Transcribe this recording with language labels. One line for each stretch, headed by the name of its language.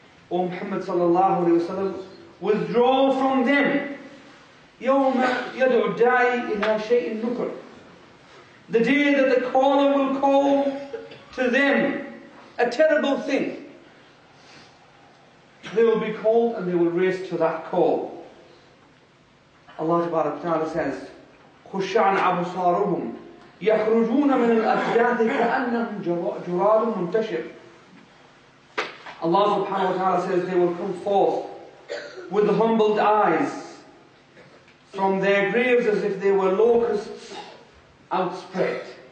English: O Muhammad sallallahu alayhi wa sallam, withdraw from them.
Arabic: يَوْمَ يَدْعُ الدَّاعِي إِلَىٰ شَيْءٍ نُكُرٍ.
English: The day that the caller will call to them a terrible thing, they will be called and they will race to that call. Allah Ta'ala says,
Arabic: خُشَّعْنَ أَبْصَارُهُمْ يَخْرُجُونَ مِنَ الْأَجْدَاثِ كَأَنَّهُمْ جُرَادٌ مُنْتَشِرٌ.
English: Allah subhanahu wa ta'ala says they will come forth with humbled eyes from their graves as if they were locusts outspread.